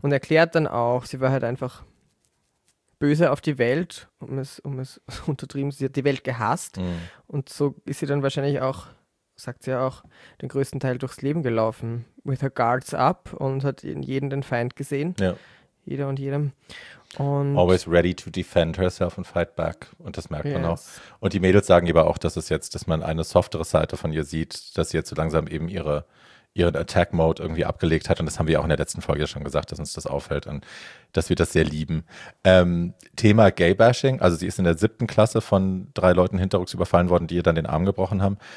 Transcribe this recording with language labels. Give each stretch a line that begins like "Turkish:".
German: Und erklärt dann auch, sie war halt einfach böse auf die Welt, um es untertrieben, sie hat die Welt gehasst. Mm. Und so ist sie dann wahrscheinlich auch, sagt sie ja auch, den größten Teil durchs Leben gelaufen,
English: with her guards up,
German: und hat in jedem den Feind gesehen. Ja. Jeder und jedem. Und
English: always ready to defend herself and fight back.
German: Und das merkt man auch. Und die Mädels sagen aber auch, dass es jetzt, dass man eine softere Seite von ihr sieht, dass sie jetzt so langsam eben ihren Attack-Mode irgendwie abgelegt hat. Und das haben wir auch in der letzten Folge schon gesagt, dass uns das auffällt und dass wir das sehr lieben. Thema Gay-Bashing. Also sie ist in der 7. Klasse von 3 Leuten hinterrücks überfallen worden, die ihr dann den Arm gebrochen haben.